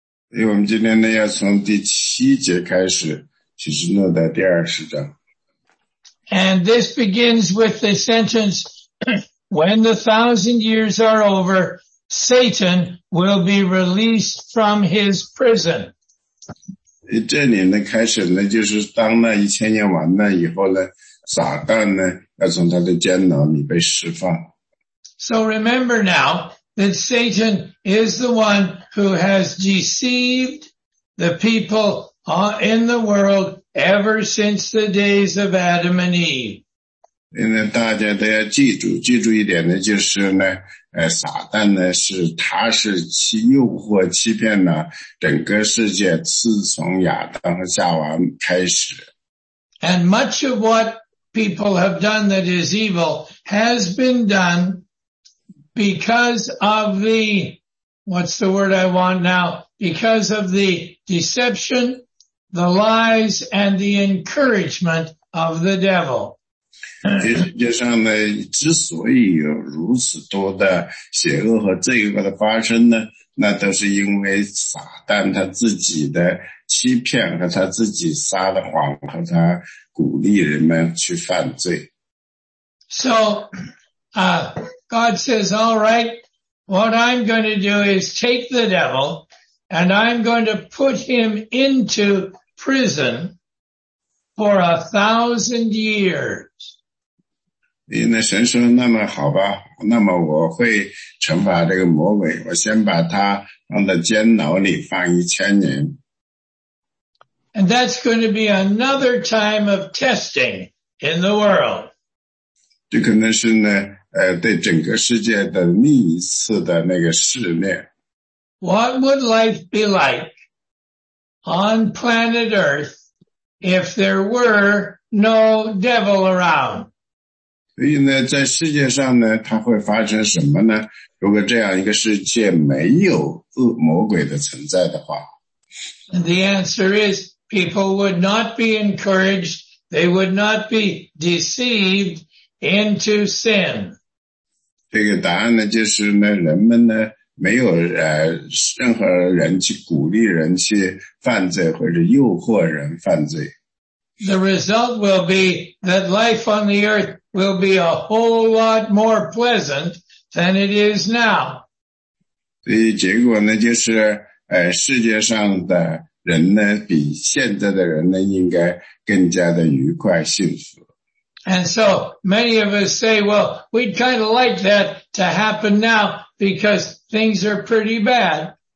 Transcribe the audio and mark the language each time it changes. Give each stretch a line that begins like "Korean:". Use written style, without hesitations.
Chinese: 因为我们今天呢要从第七节开始，启示录的第二十章。
English: And this begins with the sentence, when the 1,000 years are over, Satan will be released from his prison.
Chinese: 这里呢开始呢就是当那一千年完了以后呢，撒旦呢要从他的监牢里被释放。
English: So remember now,that Satan is the one who has deceived the people in the world ever since the days of Adam and Eve.
Chinese: 因为大家都要记住一点呢，就是呢，撒旦呢是他是去诱惑欺骗了整个世界，自从亚当和夏娃开始。
English: And much of what people have done that is evil has been done. Because of the, what's the word I want now? Because of the deception, the lies, and the encouragement of the devil.
Chinese: 实际上呢，之所以有如此多的邪恶和罪恶的发生呢，那都是因为撒旦他自己的欺骗和他自己撒的谎和他鼓励人们去犯罪。
English: So, God says, all right, what I'm going to do is take the devil and I'm going to put him into prison for 1,000 years.
Chinese: 那神说那么好吧，那么我会惩罚这个魔鬼，我先把他放在监牢里放一千年。
English: And that's going to be another time of testing in the world.
Chinese: 这可能是呢对整个世界的另一次的那个试炼。
English: What would life be like on planet Earth if there were no devil around?
Chinese: 所以呢，在世界上呢，它会发生什么呢？如果这样一个世界没有恶魔鬼的存在的话。
English: And the answer is, people would not be encouraged, they would not be deceived into sin.
Chinese: 这个答案呢，就是呢，人们呢没有任何人去鼓励人去犯罪，或者诱惑人犯罪。
English: The result will be that life on the earth will be a whole lot more pleasant than it is now.
Chinese: 所以结果呢，就是世界上的人呢，比现在的人呢，应该更加的愉快幸福。
English: And so many of us say, well, we'd kind of like that to happen now because things are pretty bad.